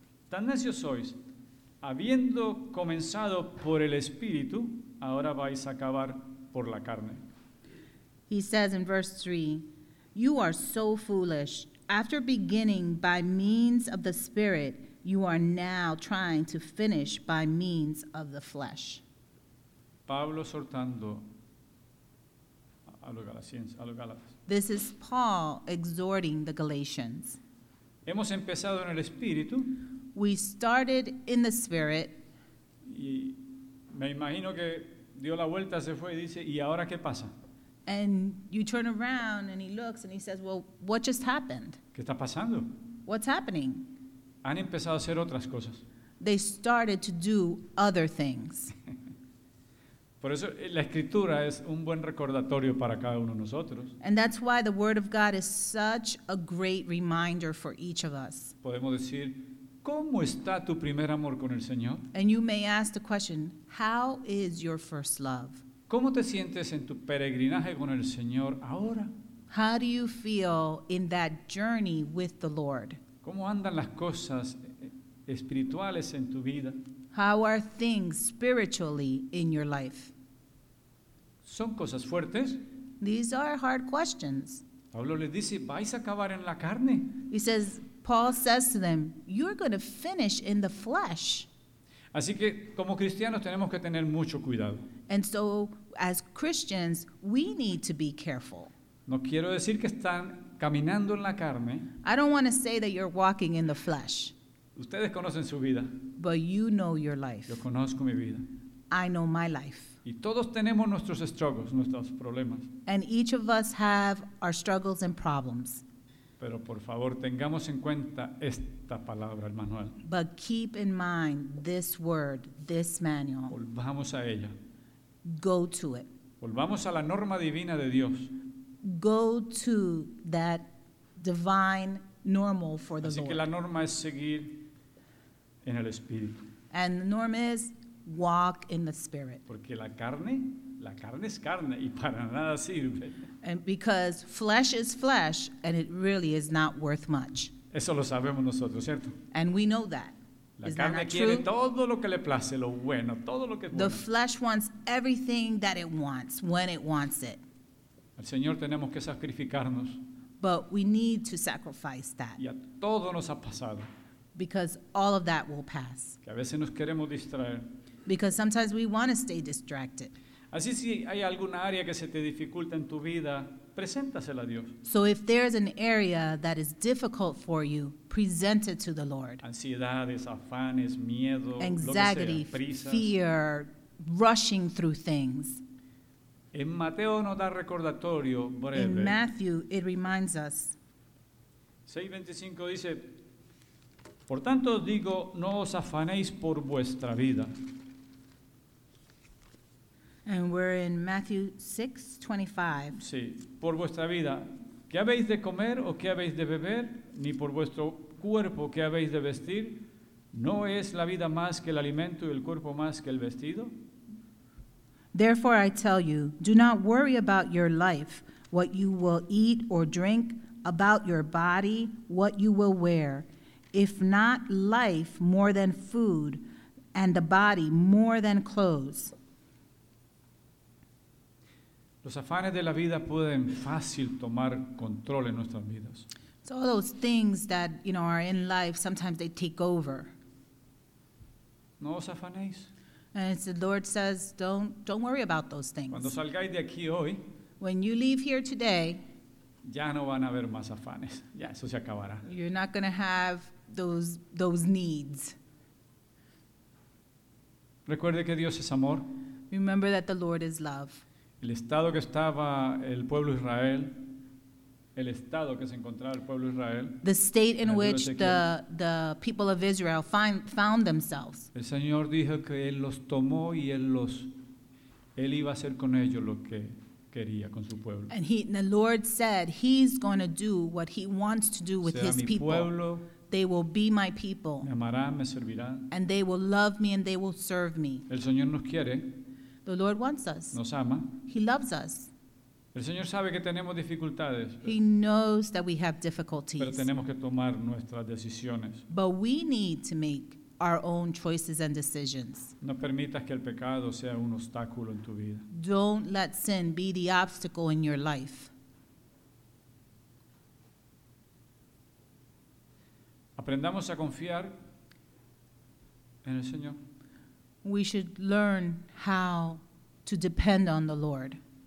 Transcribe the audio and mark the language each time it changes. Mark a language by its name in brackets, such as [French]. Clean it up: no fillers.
[Spanish] Tan necios sois, habiendo comenzado por el Espíritu, ahora vais a acabar por la carne. [English] He says in verse 3, you are so foolish. After beginning by means of the Spirit, you are now trying to finish by means of the flesh. [Spanish] Pablo exhortando a los Galatians, a los Galatas. [English] This is Paul exhorting the Galatians. [Spanish] Hemos empezado en el Espíritu. [English] We started in the Spirit. [Spanish] Y me imagino que dio la vuelta, se fue y dice, ¿y ahora qué pasa? [English] And you turn around and he looks and he says, well, what just happened? [Spanish] ¿Qué está pasando? [English] What's happening? [Spanish] Han empezado a hacer otras cosas. [English] They started to do other things. [Spanish] Por eso la escritura es un buen recordatorio para cada uno de nosotros. [English] And that's why the word of God is such a great reminder for each of us. [Spanish] Podemos decir, ¿cómo está tu primer amor con el Señor? [English] And you may ask the question, how is your first love? [Spanish] ¿Cómo te sientes en tu peregrinaje con el Señor ahora? [English] How do you feel in that journey with the Lord? [Spanish] ¿Cómo andan las cosas espirituales en tu vida? [English] How are things spiritually in your life? [Spanish] Son cosas fuertes. [English] These are hard questions. [Spanish] Pablo les dice, vais a acabar en la carne. [English] He says, Paul says to them, you're going to finish in the flesh. [Spanish] Así que como cristianos tenemos que tener mucho cuidado. [English] And so as Christians, we need to be careful. [Spanish] No quiero decir que están caminando en la carne. [English] I don't want to say that you're walking in the flesh. [Spanish] Ustedes conocen su vida. [English] But you know your life. [Spanish] Yo conozco mi vida. [English] I know my life. [Spanish] Y todos tenemos nuestros struggles, nuestros problemas. [English] And each of us have our struggles and problems. [Spanish] Pero por favor, tengamos en cuenta esta palabra, el manual. [English] But keep in mind this word, this manual. [Spanish] Volvamos a ella. [English] Go to it. [Spanish] Volvamos a la norma divina de Dios. [English] Go to that divine normal for the [Spanish] Así [English] Lord. [Spanish] Que la norma es seguir en el Espíritu. [English] And the norm is walk in the Spirit. [Spanish] Porque la carne es carne y para nada sirve. [English] And because flesh is flesh and it really is not worth much. [Spanish] Eso lo sabemos nosotros, ¿cierto? [English] And we know that. [Spanish] La [English] is [Spanish] carne [English] that not [Spanish] quiere [English] true? [Spanish] Todo lo que le place, lo bueno, todo lo que [English] The [Spanish] bueno. [English] Flesh wants everything that it wants when it wants it. [Spanish] Al Señor tenemos que sacrificarnos. [English] But we need to sacrifice that. [Spanish] Y a todo nos ha pasado. [English] Because all of that will pass. [Spanish] Que a veces nos queremos distraer. [English] Because sometimes we want to stay distracted. [Spanish] Así si hay alguna área que se te dificulta en tu vida, preséntasela a Dios. [English] So if there's an area that is difficult for you, present it to the Lord. [Spanish] Ansiedades, afanes, miedo, [English] anxiety, [Spanish] lo que sea, prisas. [English] Fear, rushing through things. [Spanish] En Mateo nos da recordatorio breve. [English] In Matthew, it reminds us. [Spanish] 6:25 dice, por tanto os digo, no os afanéis por vuestra vida. [English] And we're in Matthew 6:25. [Spanish] Sí, por vuestra vida. ¿Qué habéis de comer o qué habéis de beber? Ni por vuestro cuerpo, ¿qué habéis de vestir? ¿No es la vida más que el alimento y el cuerpo más que el vestido? [English] Therefore I tell you, do not worry about your life, what you will eat or drink, about your body, what you will wear. If not life more than food, and the body more than clothes. [Spanish] Los afanes de la vida pueden fácil tomar control en nuestras vidas. [English] So all those things that, you know, are in life, sometimes they take over. [Spanish] No os afanéis. [English] And it's the Lord says, don't worry about those things. [Spanish] Cuando salgáis de aquí hoy, [English] when you leave here today, [Spanish] ya no van a haber más afanes. Ya, eso se acabará. [English] You're not going to have those needs. [Spanish] Recuerde que Dios es amor. [English] Remember that the Lord is love. [Spanish] El estado que estaba el pueblo Israel, el estado que se encontraba el pueblo Israel. [English] The state in which the people of Israel found themselves. [Spanish] El Señor dijo que él los tomó y él iba a hacer con ellos lo que quería con su pueblo. [English] And the Lord said he's going to do what he wants to do with his people. [Spanish] Será mi pueblo. [English] They will be my people. [Spanish] Me amarán, me servirán. [English] And they will love me and they will serve me. [Spanish] El Señor nos quiere. [English] The Lord wants us. [Spanish] Nos ama. [English] He loves us. [Spanish] El Señor sabe que tenemos dificultades. [English] He knows that we have difficulties. [Spanish] Pero tenemos que tomar nuestras decisiones. [English] But we need to make our own choices and decisions. [Spanish] No permitas que el pecado sea un obstáculo en tu vida. [English] Don't let sin be the obstacle in your life. [Spanish] Aprendamos a confiar en el Señor. [English] We should learn how to depend on the Lord.